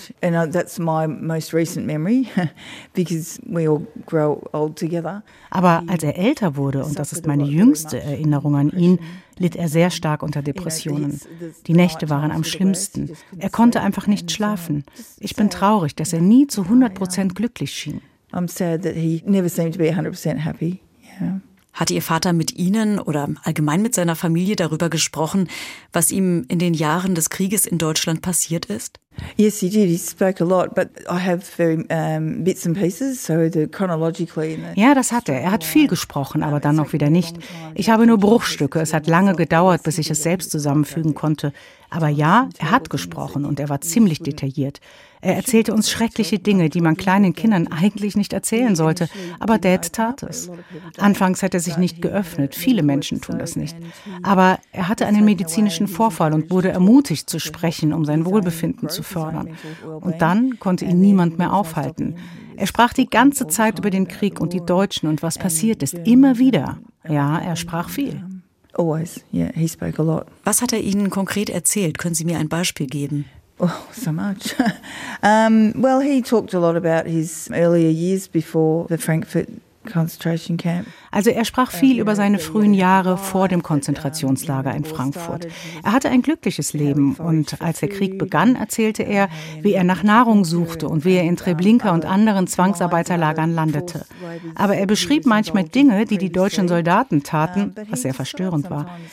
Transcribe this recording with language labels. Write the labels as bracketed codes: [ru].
[de] Aber als er älter wurde, und das ist meine jüngste Erinnerung an ihn, litt er sehr stark unter Depressionen. Die Nächte waren am schlimmsten. Er konnte einfach nicht schlafen. Ich bin traurig, dass er nie zu 100% glücklich schien. [en] I'm sad that he never seemed to be 100% happy. [de] Hat Ihr Vater mit Ihnen oder allgemein mit seiner Familie darüber gesprochen, was ihm in den Jahren des Krieges in Deutschland passiert ist? [en] Yes, he did. He spoke a lot, but I have very bits and pieces, so the chronologically. [de] Ja, das hat er. Er hat viel gesprochen, aber dann auch wieder nicht. Ich habe nur Bruchstücke. Es hat lange gedauert, bis ich es selbst zusammenfügen konnte. Aber ja, er hat gesprochen und er war ziemlich detailliert. Er erzählte uns schreckliche Dinge, die man kleinen Kindern eigentlich nicht erzählen sollte, aber Dad tat es. Anfangs hat er sich nicht geöffnet, viele Menschen tun das nicht. Aber er hatte einen medizinischen Vorfall und wurde ermutigt zu sprechen, um sein Wohlbefinden zu fördern. Und dann konnte ihn niemand mehr aufhalten. Er sprach die ganze Zeit über den Krieg und die Deutschen und was passiert ist, immer wieder. Ja, er sprach viel. [en] Always, yeah, he spoke a lot. [de] Was hat er Ihnen konkret erzählt? Können Sie mir ein Beispiel geben? [en] Oh, so much. Well, he talked a lot about his earlier years before the Frankfurt concentration camp. [de] Also er sprach viel über seine frühen Jahre vor dem Konzentrationslager in Frankfurt. Er hatte ein glückliches Leben und als der Krieg begann, erzählte er, wie er nach Nahrung suchte und wie er in Treblinka und anderen Zwangsarbeiterlagern landete. Aber er beschrieb manchmal Dinge, die die deutschen Soldaten taten, was sehr verstörend war.